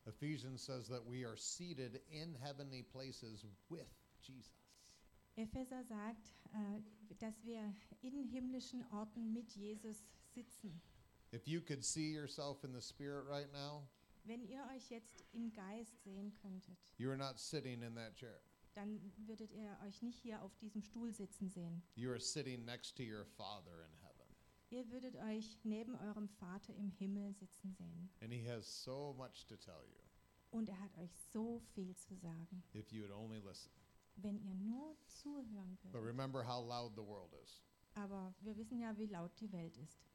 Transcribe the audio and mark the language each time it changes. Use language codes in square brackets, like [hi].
[en] Ephesians says that we are seated in heavenly places with Jesus. [de] Epheser sagt, dass wir in himmlischen Orten mit Jesus sitzen. [en] If you could see yourself in the spirit right now, [de] wenn ihr euch jetzt im Geist sehen könntet, [en] you are not sitting in that chair. [de] Dann würdet ihr euch nicht hier auf diesem Stuhl sitzen sehen. [en] You are sitting next to your Father in heaven. [de] Ihr würdet euch neben eurem Vater im Himmel sitzen sehen. [en] And he has so much to tell you. [de] Und er hat euch so viel zu sagen. [en] If you would only listen. [de] Wenn ihr nur zuhören würdet. [en] But remember how loud the world is. [de] Aber wir wissen ja, wie laut die Welt ist.